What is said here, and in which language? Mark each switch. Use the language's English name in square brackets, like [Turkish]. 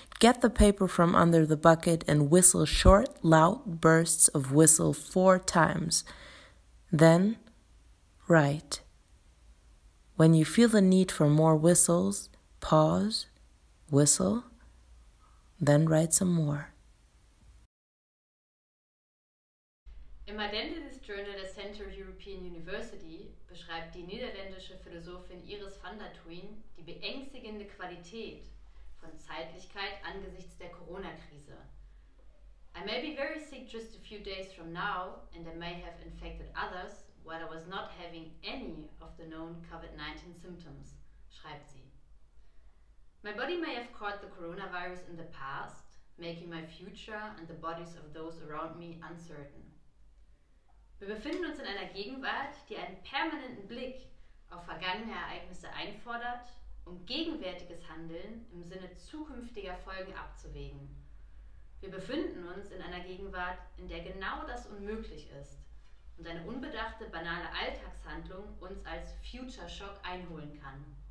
[English] Get the paper from under the bucket and whistle short, loud bursts of whistle 4 times. Then write. When you feel the need for more whistles, pause, whistle, then write some more. [German] Im Identities Journal der Central European University beschreibt die niederländische Philosophin Iris van der Tuin die beängstigende Qualität von Zeitlichkeit angesichts der Corona-Krise. [English] I may be very sick just a few days from now and I may have infected others while I was not having any of the known COVID-19 symptoms, [German] schreibt sie. [English] My body may have caught the coronavirus in the past, making my future and the bodies of those around me uncertain. [German] Wir befinden uns in einer Gegenwart, die einen permanenten Blick auf vergangene Ereignisse einfordert, um gegenwärtiges Handeln im Sinne zukünftiger Folgen abzuwägen. Wir befinden uns in einer Gegenwart, in der genau das unmöglich ist und eine unbedachte, banale Alltagshandlung uns als Future Shock einholen kann.